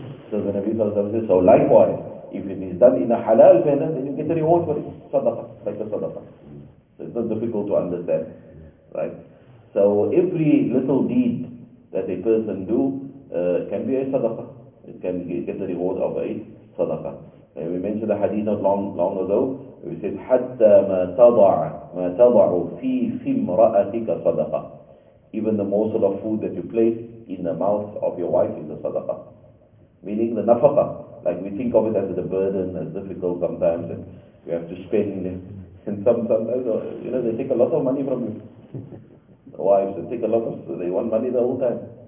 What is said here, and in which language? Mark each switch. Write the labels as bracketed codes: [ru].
[en] So the Nabi says, so likewise, if it is done in a halal manner, then you get a reward for it, sadaqah, like a sadaqah. So it's not difficult to understand, right? So every little deed that a person do, can be a sadaqah. It can get the reward of a sadaqah. And we mentioned a hadith not long ago. We said, [ar] حَتَّى مَا تَضَعُ فِي فِمْرَأَتِكَ صَدَقَةً. [en] Even the morsel of food that you place in the mouth of your wife is a sadaqah. Meaning the nafaqah. Like we think of it as a burden, as difficult sometimes, and you have to spend. And sometimes, you know, they take a lot of money from you. The wives, they take a lot of, so they want money the whole time.